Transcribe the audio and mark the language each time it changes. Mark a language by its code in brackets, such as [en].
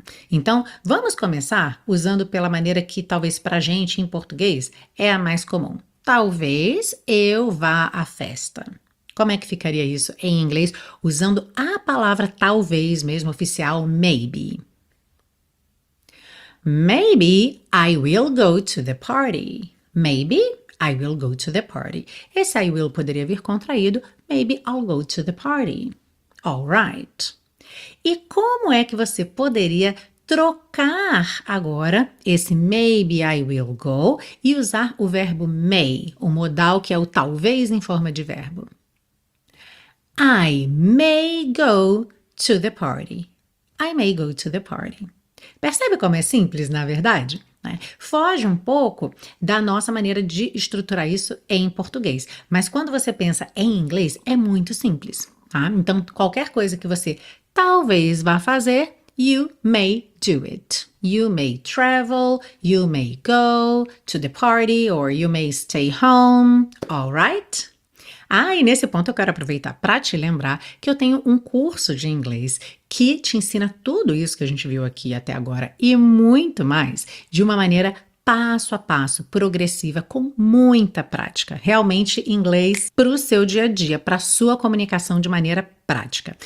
[pt] Então, vamos começar usando pela maneira que talvez para a gente em português é a mais comum. Talvez eu vá à festa. Como é que ficaria isso em inglês usando a palavra talvez mesmo oficial, maybe? [en] Maybe I will go to the party. Maybe I will go to the party. [pt] Esse [en] I will [pt] poderia vir contraído. [en] Maybe I'll go to the party. All right. [pt] E como é que você poderia trocar agora esse [en] maybe I will go [pt] e usar o verbo may, o modal que é o talvez em forma de verbo? [en] I may go to the party. I may go to the party. [pt] Percebe como é simples, na verdade? Né? Foge um pouco da nossa maneira de estruturar isso em português. Mas quando você pensa em inglês, é muito simples. Tá? Então, qualquer coisa que você talvez vá fazer, [en] you may do it. You may travel, you may go to the party, or you may stay home. All right? [pt] Ah, e nesse ponto eu quero aproveitar para te lembrar que eu tenho um curso de inglês que te ensina tudo isso que a gente viu aqui até agora e muito mais de uma maneira passo a passo, progressiva, com muita prática. Realmente inglês para o seu dia a dia, para a sua comunicação de maneira prática.